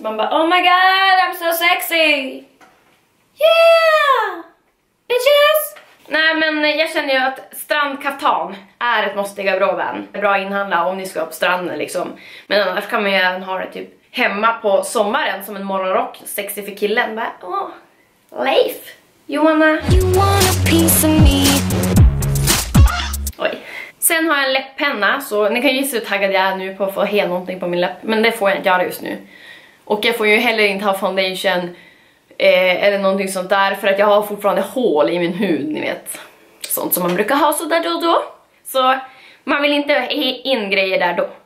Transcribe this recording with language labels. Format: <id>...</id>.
<sv>Man bara,</sv> <en>oh my god, I'm so sexy! Yeah! Bitches!</en> <sv>Nej, men jag känner ju att strandkaftan är ett måste bra vän. Bra att inhandla om ni ska på stranden liksom. Men annars kan man ju även ha det typ hemma på sommaren som en morgonrock. Sexy för killen. Bara, åh,</sv> <en>Leif, you wanna piece of me.</en> <sv>Oj. Sen har jag en läpppenna, så ni kan ju gissa hur taggad jag är nu på att få hel någonting på min läpp. Men det får jag inte göra just nu. Och jag får ju heller inte ha foundation. Eller någonting sånt där, för att jag har fortfarande hål i min hud, ni vet. Sånt som man brukar ha så där då. Så man vill inte in grejer där då.</sv>